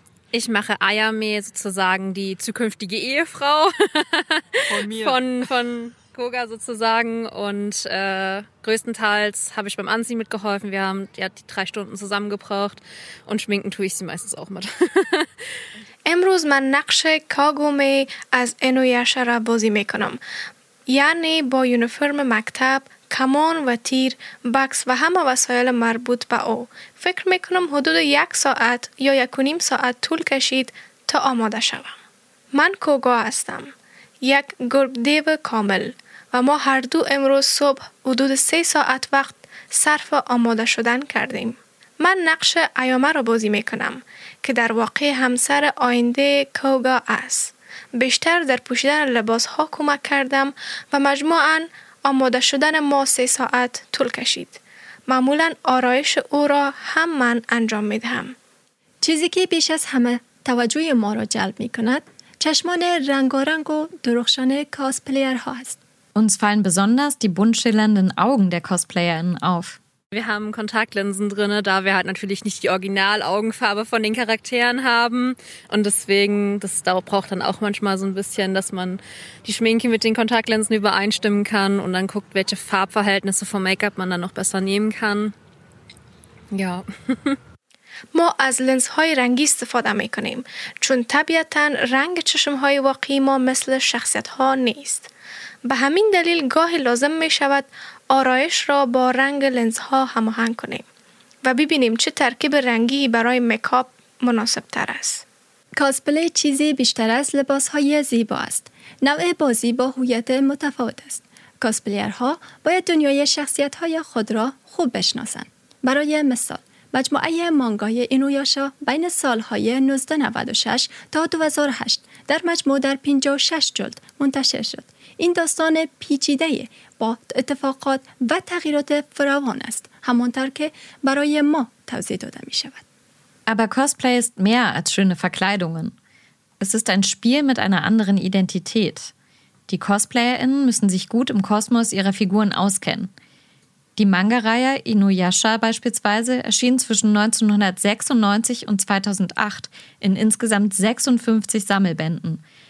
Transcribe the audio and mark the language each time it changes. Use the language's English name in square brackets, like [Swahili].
[German] Ich mache Ayame, sozusagen die zukünftige Ehefrau. Von mir. Von Koga sozusagen und größtenteils habe ich beim Anziehen mitgeholfen. Wir haben ja die 3 Stunden zusammen gebraucht und schminken tue ich sie meistens auch mit. [Persian] امروز من نقش کاگومی از انویاشا را بازی میکنم. یعنی با یونیفرم مکتب، کمان و تیر، باکس و همه وسایل مربوط به او. فکر میکنم حدود 1 ساعت یا 1.5 ساعت طول کشید تا آماده شوم. من کوگا هستم. یک گرگ دیو کامل و ما هر دو امروز صبح حدود 3 ساعت وقت صرف آماده شدن کردیم. من نقش آیاما رو بازی میکنم که در واقع همسر آینده کوگا است. بیشتر در پوشیدن لباس ها کمک کردم و مجموعاً آماده شدن ما 3 ساعت طول کشید. معمولاً آرایش او را هم من انجام میدهم. چیزی که بیش از همه توجه ما را جلب میکند چشمان رنگارنگ و درخشان کاسپلیر ها است. [German] Uns fallen besonders die bunt schillernden Augen der Cosplayerinnen auf. Wir haben Kontaktlinsen drin, da wir halt natürlich nicht die Originalaugenfarbe von den Charakteren haben. Und deswegen, das braucht dann auch manchmal so ein bisschen, dass man die Schminke mit den Kontaktlinsen übereinstimmen kann und dann guckt, welche Farbverhältnisse vom Make-up man dann noch besser nehmen kann. Ja. [Persian] ما از لنزهای رنگی استفاده میکنیم چون طبیعتاً رنگ چشمهای واقعی ما مثل شخصیتها نیست. به همین دلیل گاهی لازم می شود آرایش را با رنگ لنزها هماهنگ کنیم و ببینیم چه ترکیب رنگی برای مکاپ مناسب تر است. کاسپلی چیزی بیشتر از لباسهای زیبا است. نوع بازی با هویت متفاوت است. کاسپلیرها باید دنیای شخصیتهای خود را خوب بشناسند. برای مثال مجموعه مانگای اینویاشا بین سالهای 1996 تا 2008 در مجموع در 56 جلد منتشر شد. این داستان پیچیده با اتفاقات و تغییرات فراوان است. همانطور که برای ما توضیح داده می شود. [German] Aber Cosplay ist mehr als schöne Verkleidungen. Es ist ein Spiel mit einer anderen Identität. Die CosplayerInnen müssen sich gut im Kosmos ihrer Figuren auskennen. Die Manga-Reihe Inuyasha beispielsweise erschien zwischen 1996 und 2008 in insgesamt 56 Sammelbänden.